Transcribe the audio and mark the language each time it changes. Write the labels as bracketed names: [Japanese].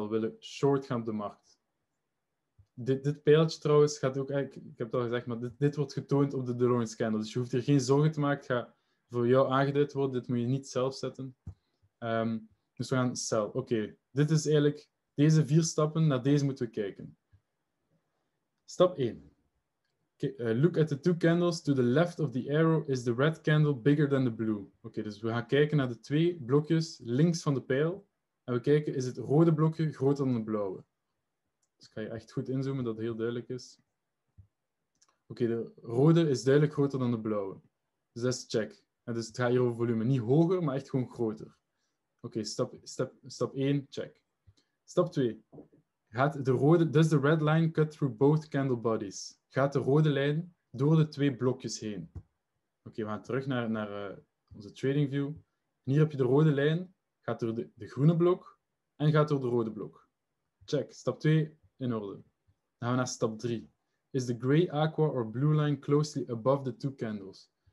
[Dutch] We willen short gaan op de markt. Dit pijltje trouwens gaat ook eigenlijk, ik heb het al gezegd, maar dit wordt getoond op de DeLorean scanner. Dus je hoeft hier geen zorgen te maken. Het gaat voor jou aangeduid worden. Dit moet je niet zelf zetten. Dus we gaan sell. Oké, dit is eigenlijk deze vier stappen. Naar deze moeten we kijken. Stap 1. [English] Look at the two candles. To the left of the arrow is the red candle bigger than the blue. [Dutch] Oké, dus we gaan kijken naar de twee blokjes links van de pijl. En we kijken, is het rode blokje groter dan het blauwe? Dus ik ga je echt goed inzoomen, dat het heel duidelijk is. Oké, de rode is duidelijk groter dan de blauwe. Dus dat is check. En dus het gaat hier over volume. Niet hoger, maar echt gewoon groter. Oké, stap 1, check. Stap 2. [English] Does the red line cut through both candle bodies? [Dutch] Gaat de rode lijn door de twee blokjes heen? Oké, we gaan terug naar onze trading view. En hier heb je de rode lijn. Gaat door de groene blok en gaat door de rode blok. Check. Stap 2, in orde. Dan gaan we naar stap 3. [English] Is the gray aqua or blue line closely above the two candles?